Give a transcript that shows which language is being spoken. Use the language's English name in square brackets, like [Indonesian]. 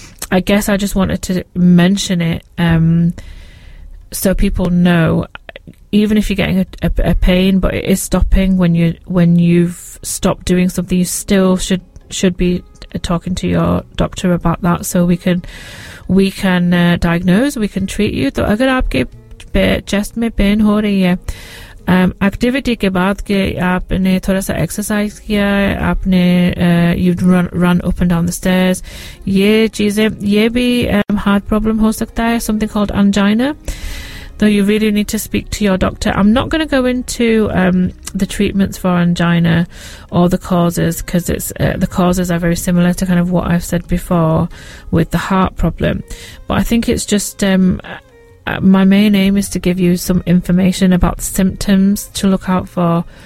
[English] I guess I just wanted to mention it so people know, even if you're getting a pain, but it is stopping when you've stopped doing something, you still should be talking to your doctor about that so we can diagnose, we can treat you. [Hindi] So अगर आपके chest में pain हो रही है, activity के बाद के आपने थोड़ा सा exercise किया, आपने [English] you've run up and down the stairs, [Hindi] ये चीज़ें ये भी heart problem हो सकता है, [English] something called angina. Though you really need to speak to your doctor. I'm not going to go into the treatments for angina or the causes, because it's the causes are very similar to kind of what I've said before with the heart problem. But I think it's just my main aim is to give you some information about symptoms to look out for